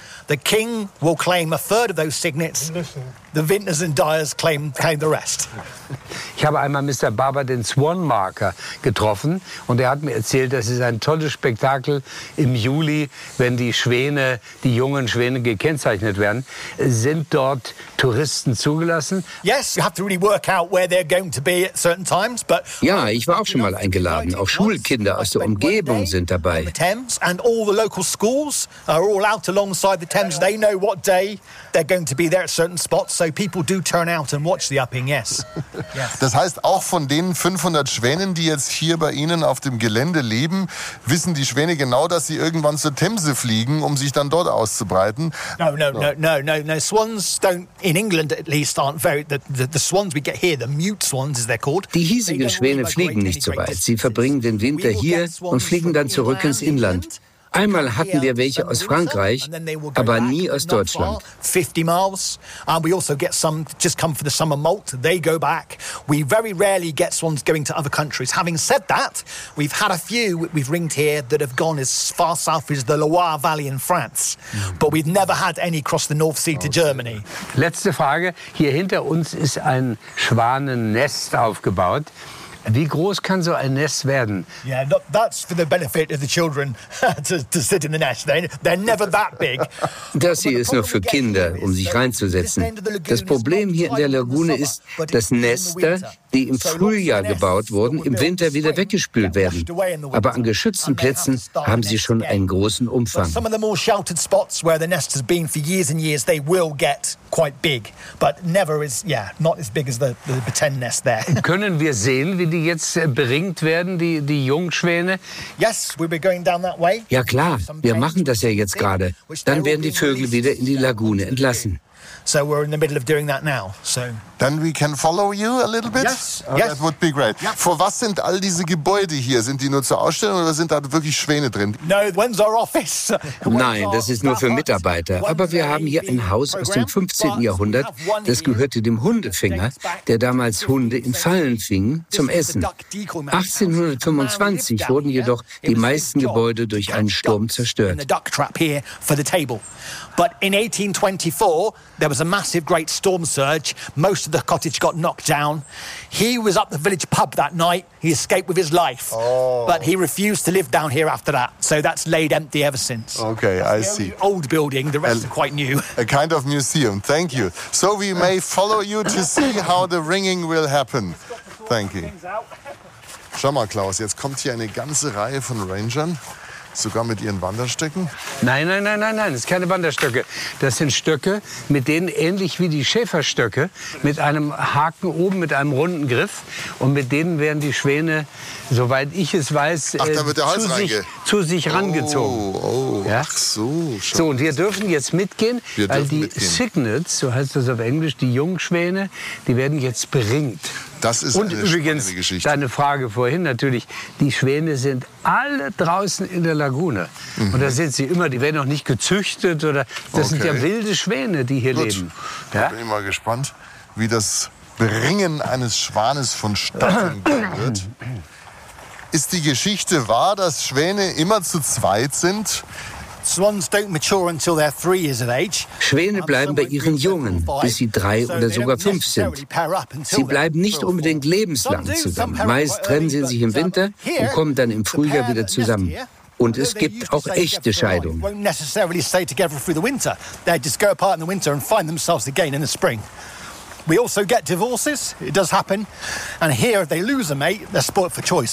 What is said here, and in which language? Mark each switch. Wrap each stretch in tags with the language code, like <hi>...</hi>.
<en>The king will claim 1/3 of those signets. The vintners and dyers claim the rest.</en> <de>Ich habe einmal Mr. Barber, den Swanmarker, getroffen und er hat mir erzählt, das ist ein tolles Spektakel im Juli, wenn die Schwäne, die jungen Schwäne gekennzeichnet werden. Sind dort Touristen zugelassen?</de> <en>Yes, you have to really work out where they're going to be at certain times, but</en> <de>ja, ich war auch schon mal eingeladen. Auch Schulkinder aus der Umgebung sind dabei.</de> <en>The Thames and all the local schools are all out alongside the Thames. They know what day they're going to be there at certain spots, so people do turn out and watch the upping. Yes.</en> <de>Das heißt, auch von den 500 Schwänen, die jetzt hier bei Ihnen auf dem Gelände leben, wissen die Schwäne genau, dass sie irgendwann zur Themse fliegen, um sich dann dort auszubreiten.</de> <en>No. Swans don't, in England at least, aren't very, the swans we get here, the mute swans as they're called.</en> <de>Die hiesigen Schwäne fliegen nicht so weit. Sie verbringen den Winter hier und fliegen dann zurück ins Inland. Einmal hatten wir welche aus Frankreich, aber nie aus Deutschland.</de> <en>50 miles. We also get some just come for the summer molt. They go back. We very rarely get swans going to other countries. Having said that, we've had a few we've ringed here that have gone as far south as the Loire Valley in France. But we've never had any cross the North Sea to Germany.</en> <de>Letzte Frage. Hier hinter uns ist ein Schwanennest aufgebaut. Wie groß kann so ein Nest werden?</de> <en>Yeah, that's for the benefit of the children to sit in the nest. They're never that big.</en> <de>Das hier ist nur für Kinder, um sich reinzusetzen. Das Problem hier in der Lagune ist, dass Nester, die im Frühjahr gebaut wurden, im Winter wieder weggespült werden. Aber an geschützten Plätzen haben sie schon einen großen Umfang.</de> <en>Some of the more sheltered spots where the nest has been for years and years, they will get quite big, but never is, yeah, not as big as the pretend nest there.</en> <de>Können wir sehen, wie die jetzt beringt werden, die Jungschwäne?</de> <en>Yes, we'll be going down that way.</en> <de>Ja klar, wir machen das ja jetzt gerade. Dann werden die Vögel wieder in die Lagune entlassen.</de> <en>So we're in the middle of doing that now. So then we can follow you a little bit. Yes, that would be great. Yep.</en> <de>For was sind all diese Gebäude hier? Sind die nur zur Ausstellung oder sind da wirklich Schwäne drin?</de> <en>No, when's our office?</en> <de>Nein, das ist nur für Mitarbeiter. Aber wir haben hier ein Haus aus dem 15. Jahrhundert. Das gehörte dem Hundefänger, der damals Hunde in Fallen fing zum Essen. 1825 wurden jedoch die meisten Gebäude durch einen Sturm zerstört.</de> <en>The duck trap here for the table. But in 1824 there was a massive great storm surge. Most of the cottage got knocked down. He was up the village pub that night. He escaped with his life. Oh. But he refused to live down here after that. So that's laid empty ever since. Okay, I see. Old building, the rest are quite new. A kind of museum, thank you. So we may follow you to see how the ringing will happen. Thank you.</en> <de>Schau mal, Klaus, jetzt kommt hier eine ganze Reihe von Rangern. Sogar mit ihren Wanderstöcken? Nein, das sind keine Wanderstöcke. Das sind Stöcke, mit denen, ähnlich wie die Schäferstöcke, mit einem Haken oben, mit einem runden Griff. Und mit denen werden die Schwäne, soweit ich es weiß, zu sich rangezogen. Oh, ach so. Und wir dürfen jetzt mitgehen, Signets, so heißt das auf Englisch, die Jungschwäne, die werden jetzt beringt. Das ist und eine übrigens, Geschichte. Deine Frage vorhin natürlich, die Schwäne sind alle draußen in der Lagune. Mhm. Und da sind sie immer, die werden noch nicht gezüchtet. Sind ja wilde Schwäne, die hier leben. Da bin ich mal gespannt, wie das Bringen eines Schwanes vonstatten gehen wird. Ist die Geschichte wahr, dass Schwäne immer zu zweit sind?</de> <en>Swans don't mature until they're 3 years of age.</en> <de>Schwäne bleiben bei ihren Jungen, bis sie 3 oder sogar 5 sind. Sie bleiben nicht unbedingt lebenslang zusammen. Meist trennen sie sich im Winter und kommen dann im Frühjahr wieder zusammen. Und es gibt auch echte Scheidungen.</de> <en>Won't necessarily stay together through the winter. They just go apart in the winter and find themselves again in the spring. We also get divorces. It does happen. And here, if they lose a mate, they're spoilt for choice.</en>